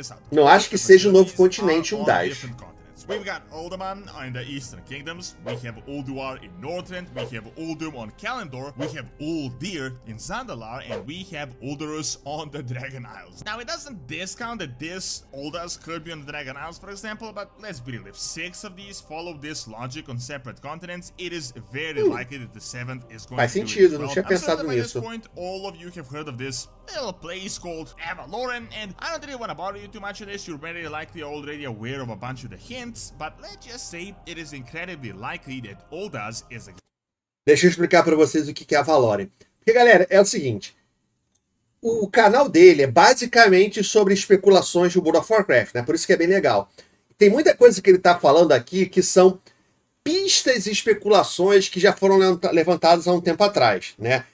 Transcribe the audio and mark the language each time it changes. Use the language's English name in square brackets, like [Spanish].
[Portuguese] Não acho que seja o novo continente Uldas. [English] We've got Uldaman in the Eastern Kingdoms, we have Ulduar in Northrend, we have Uldum on Kalimdor, we have Uldir in Zandalar, and we have Uldurus on the Dragon Isles. Now, it doesn't discount that this Uldas could be on the Dragon Isles, for example, but let's be real, if six of these follow this logic on separate continents, it is very likely that the seventh is going to be... [Portuguese] Faz sentido, well, não tinha pensado nisso. [English] At this point, all of you have heard of this little place called Avaloren, and I don't really want to bother you too much on this, you're very likely already aware of a bunch of the hints. But let's just say it is incredibly likely that Uldas is a... [Portuguese] Deixa eu explicar para vocês o que é a Valorem. Porque, galera, é o seguinte. O canal dele é basicamente sobre especulações do World of Warcraft, né? Por isso que é bem legal. Tem muita coisa que ele tá falando aqui que são pistas e especulações que já foram levantadas há um tempo atrás, né?